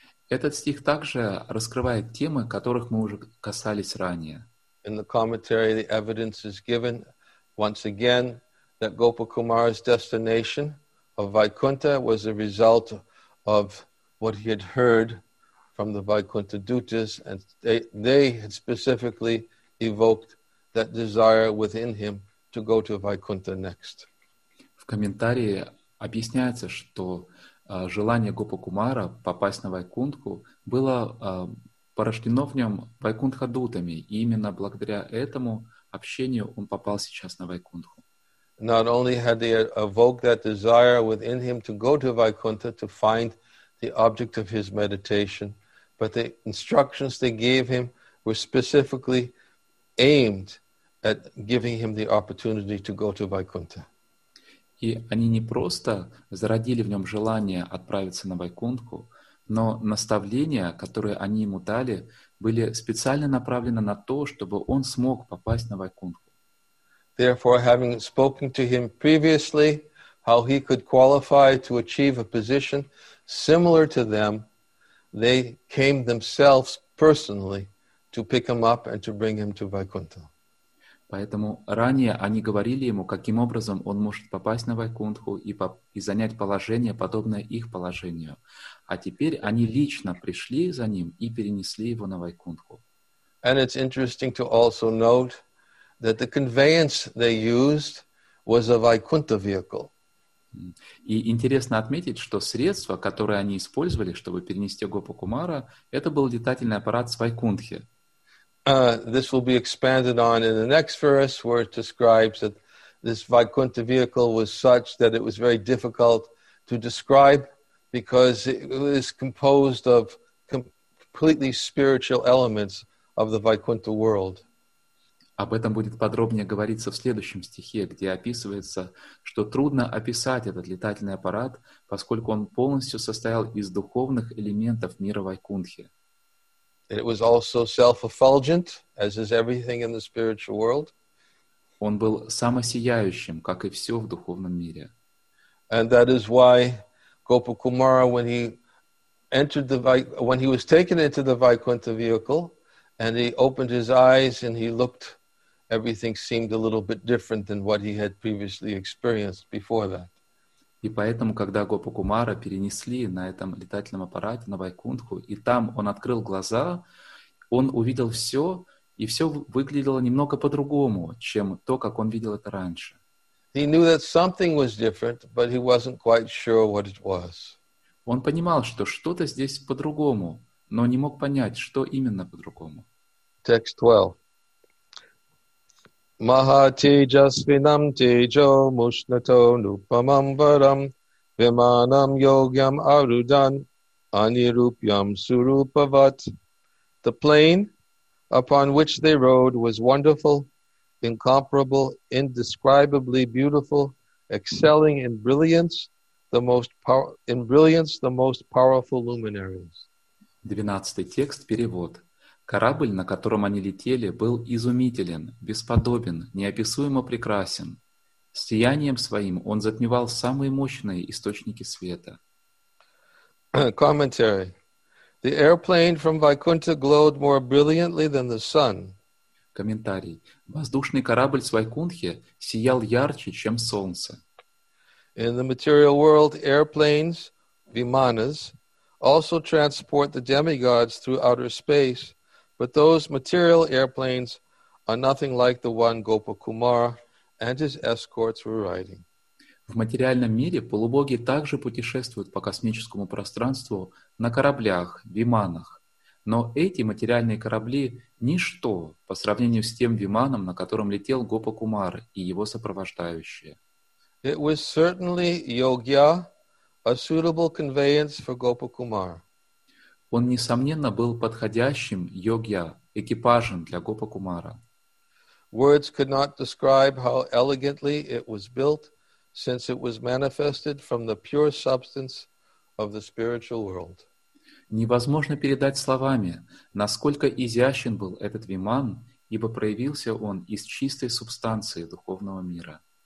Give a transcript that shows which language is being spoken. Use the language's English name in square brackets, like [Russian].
[Russian] Этот стих также раскрывает темы, которых мы уже касались ранее. [English] In the commentary, the evidence is given once again that Gopakumara's destination of Vaikuntha was a result of what he had heard from the Vaikuntha Dutas, and they had specifically evoked that desire within him to go to Vaikuntha next. [Russian] В комментарии объясняется, что желание Гопакумара попасть на Вайкунтху было порождено в нем Вайкунтха Дутами, и именно благодаря этому общению он попал сейчас на Вайкунтху. [English] Not only had they evoked that desire within him to go to Vaikuntha to find the object of his meditation, but the instructions they gave him were specifically aimed at giving him the opportunity to go to Vaikuntha. [Russian] И они не просто зародили в нем желание отправиться на Вайкунтху, но наставления, которые они ему дали, были специально направлены на то, чтобы он смог попасть на Вайкунтху. [English] Therefore, having spoken to him previously, how he could qualify to achieve a position similar to them, they came themselves personally to pick him up and to bring him to Vaikuntha. [Russian] Поэтому ранее они говорили ему, каким образом он может попасть на Вайкунтху и занять положение, подобное их положению. А теперь они лично пришли за ним и перенесли его на Вайкунтху. [English] And it's interesting to also note that the conveyance they used was a Vaikuntha vehicle. [Russian] И интересно отметить, что средство, которое они использовали, чтобы перенести Гопакумара, это был летательный аппарат с Вайкунтхи. [English] This will be expanded on in the next verse, where it describes that this Vaikuntha vehicle was such that it was very difficult to describe because it was composed of completely spiritual elements of the Vaikuntha world. [Russian] Об этом будет подробнее говориться в следующем стихе, где описывается, что трудно описать этот летательный аппарат, поскольку он полностью состоял из духовных элементов мира Вайкунтхи. [English] It was also self-effulgent, as is everything in the spiritual world. [Russian] Он был самосияющим, как и все в духовном мире. [English] And that is why Gopakumara, when he entered the when he was taken into the Vaikuntha vehicle, and he opened his eyes and he looked, everything seemed a little bit different than what he had previously experienced before that. [Russian] И поэтому, когда Гопакумара перенесли на этом летательном аппарате на Вайкунтху, и там он открыл глаза, он увидел все, и все выглядело немного по-другому, чем то, как он видел это раньше. [English] He knew that something was different, but he wasn't quite sure what it was. [Russian] Он понимал, что что-то здесь по-другому, но не мог понять, что именно по-другому. [English] Text 12. [Sanskrit] Mahatejasvinam tejo mushnato nupamam varam vimanam yogyam arudan anirupyam surupavat. [English] The plane upon which they rode was wonderful, incomparable, indescribably beautiful, excelling in brilliance, the most powerful luminaries. [Russian] 12 текст, перевод. Корабль, на котором они летели, был изумителен, бесподобен, неописуемо прекрасен. Сиянием своим он затмевал самые мощные источники света. [English] Commentary. The airplane from Vaikuntha glowed more brilliantly than the sun. [Russian] Комментарий. Воздушный корабль с Вайкунтхи сиял ярче, чем солнце. [English] In the material world, airplanes, vimanas, also transport the demigods through outer space. But those material airplanes are nothing like the one Gopakumara and his escorts were riding. [Russian] В материальном мире полубоги также путешествуют по космическому пространству на кораблях, виманах. Но эти материальные корабли – ничто по сравнению с тем виманом, на котором летел Гопакумара и его сопровождающие. [English] It was certainly yogya, a suitable conveyance for Gopakumara. [Russian] Он, несомненно, был подходящим йогья, экипажем для Гопакумара. [English] Words could not describe how elegantly it was built, since it was manifested from the pure substance of the spiritual world. [Russian] Невозможно передать словами, насколько изящен был этот виман, ибо проявился он из чистой субстанции духовного мира.